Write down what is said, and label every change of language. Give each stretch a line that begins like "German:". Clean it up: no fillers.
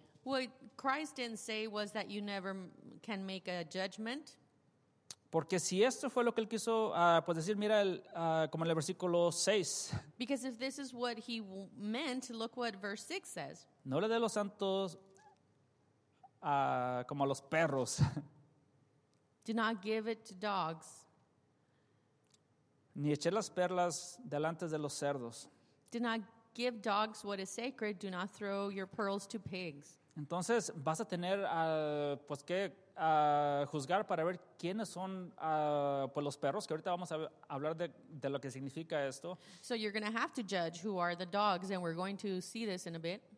English: What Christ didn't say was that you never can make a judgment.
Spanish: Porque si esto fue lo que él quiso pues decir, mira el, como en el versículo 6.
English: Because if this is what he meant, look what verse 6 says.
Spanish: No le dé los santos como a los perros.
English: Do not give it to dogs.
Spanish: Ni eche las perlas delante de los cerdos.
English: Do not give dogs what is sacred. Do not throw your pearls to pigs.
Spanish: Entonces vas a tener pues que juzgar para ver quiénes son pues los perros, que ahorita vamos a hablar de lo que significa esto.
English: So you're going to have to judge who are the dogs, and we're going to see this in a bit.